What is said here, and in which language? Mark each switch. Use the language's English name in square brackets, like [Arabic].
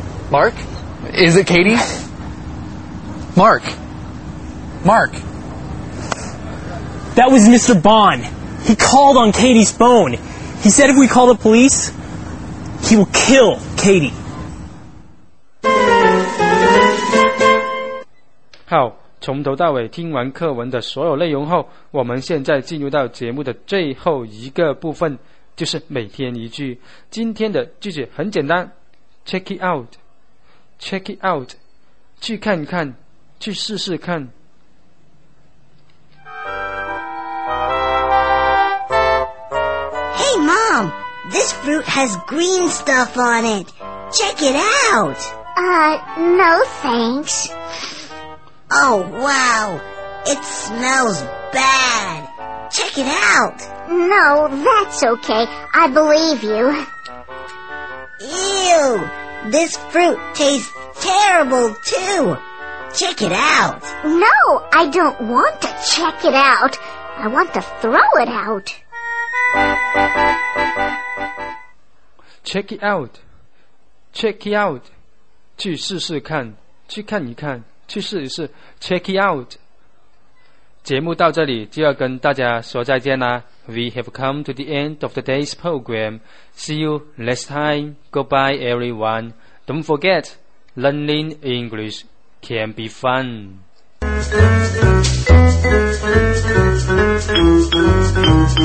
[English] Mark? Is it Katie? Mark. Mark. That was Mr. Bond. He called on Katie's phone. He said if we call the police, he will kill Katie. [Chinese] 好。从头到尾听完课文的所有内容后，我们现在进入到节目的最后一个部分，就是每天一句。今天的句子很简单 ， [English] check it out， check it out， [Chinese] 去看看，去试试看。 [English] Hey mom, this fruit has green stuff on it. Check it out. No thanks. Oh, wow. It smells bad. Check it out. No, that's okay. I believe you. Ew. This fruit tastes terrible, too. Check it out. No, I don't want to check it out. I want to throw it out. Check it out. Check it out. [Chinese] 去试试看，去看一看。去试一试 [English] check it out [Chinese] 节目到这里就要跟大家说再见啦。 [English] We have come to the end of today's program. See you next time. Goodbye everyone. Don't forget, learning English can be fun.